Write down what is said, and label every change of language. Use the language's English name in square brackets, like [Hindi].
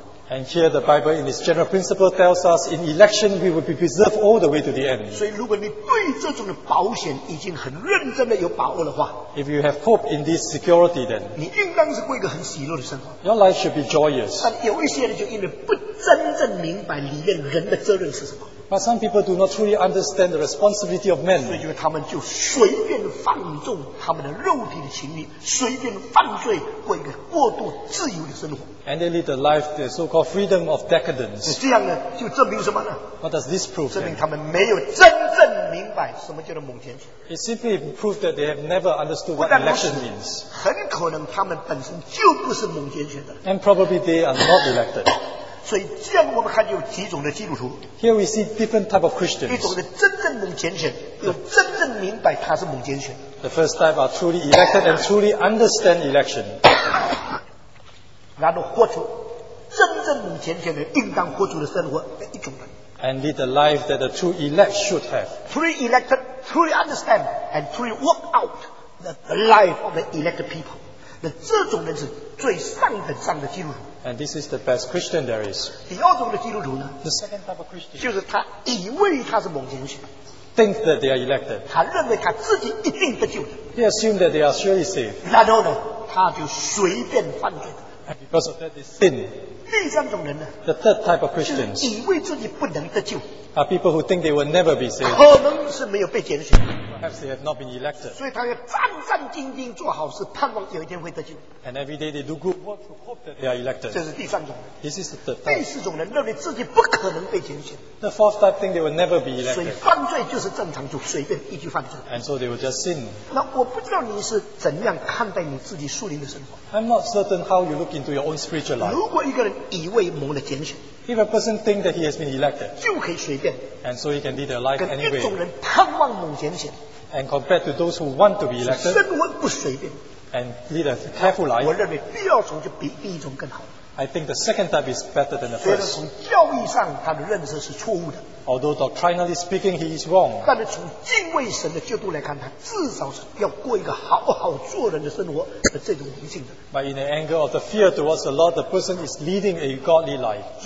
[English] and here the Bible in its general principle tells us in election we will be preserved all the way to the end. [Chinese] 所以如果你对这种的保险已经很认真的有把握的话, [English] if you have hope in this security then, [Chinese] 你应当是过一个很喜乐的生活, [English] your life should be joyous. [Chinese] 但有一些人就因为不真正明白里面人的责任是什么, [English] but some people do not truly understand the responsibility of men. [Chinese] 所以他们就随便放纵他们的肉体的情欲, 随便犯罪, 过一个过度自由的生活, [English] and they live the life, the so-called freedom of decadence. [Chinese] 这样呢,就证明什么呢? [English] What does this prove? [Chinese] 证明他们没有真正明白什么叫做蒙拣选。 [English] It simply proves that they have never understood what election means. [Chinese] 很可能他们本身就不是蒙拣选的。 [English] And probably they are not elected. [Chinese] 所以这样我们看见有几种的基督徒, [English] here we see different type of Christians. [Chinese] 一种的真正蒙拣选,有真正明白他是蒙拣选。 [English] The first type are truly elected and truly understand election. [Chinese] 然后活出真正蒙拣选的应当活出的生活的一种人, [English] and lead the life that the true elect should have. Truly elected, truly understand, and truly work out the life of the elected people. [Chinese] 那这种人是最上等上的基督徒。 [English] And this is the best Christian there is. [Chinese] 第二种的基督徒呢, [English] the second type of Christian, [Chinese] 就是他以为他是蒙拣选, [English] thinks that they are elected. [Chinese] 他认为他自己一定得救的, [English] he assumes that they are surely saved. [Chinese] 然后呢, 他就随便犯罪的, [English] and because of that is sin. [Chinese] 第三种人呢, [English] the third type of Christians, [Chinese] 就是以为自己不能得救, [English] are people who think they will never be saved. [Chinese] 可能是没有被拣选, [English] perhaps they have not been elected. [Chinese] 所以他要战战兢兢做好事, 盼望有一天会得救, [English] and every day they do good work to hope that they are elected. [Chinese] 这是第三种人, [English] this is the third type. [Chinese] 第四种人, 认为自己不可能被拣选, [English] the fourth type think they will never be elected. [Chinese] 所以犯罪就是正常, 就随便一句犯罪, [English] and so they will just sin. [Chinese] 那我不知道你是怎样看待你自己属灵的生活。 [English] I'm not certain how you look into your own spiritual life. [Chinese] 如果一个人以为蒙了拣选, [English] if a person thinks that he has been elected, [Chinese] 就可以随便, [English] and so he can lead their life anyway, [Chinese] 跟一种人盼望蒙拣选, [English] and compared to those who want to be elected, [Chinese] 生活不随便, [English] and lead a careful life, [Chinese] 我认为第二种就比第一种更好, [English] I think the second type is better than the first. [Chinese] 虽然从教义上他的认识是错误的, [English] although doctrinally speaking he is wrong, [Chinese] 但是从敬畏神的角度来看, 他至少是要过一个好好做人的生活的这种灵性的, [English] but in the angle of the fear towards the Lord, the person is leading a godly life.